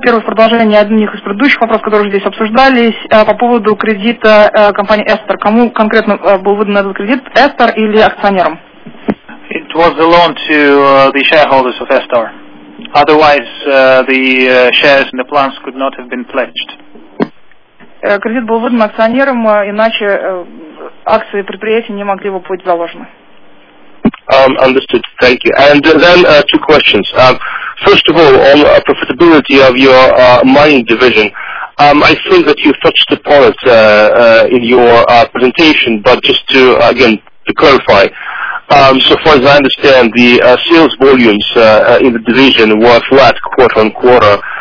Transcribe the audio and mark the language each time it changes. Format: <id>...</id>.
<ru>Первое продолжение одних из предыдущих вопросов, которые уже здесь обсуждались, по поводу кредита компании Estar. Кому конкретно был выдан этот кредит, Estar или акционерам?</ru> <en>It was a loan to the shareholders of Estar. Otherwise, the shares in the plans could not have been pledged.</en> <ru>Кредит был выдан акционерам, иначе акции предприятия не могли бы быть заложены.</ru> <en>Understood. Thank you. And then two questions. First of all, on profitability of your mining division, I think that you touched upon it in your presentation, but just to, again, to clarify, so far as I understand, the sales volumes in the division were flat quarter-on-quarter.</en>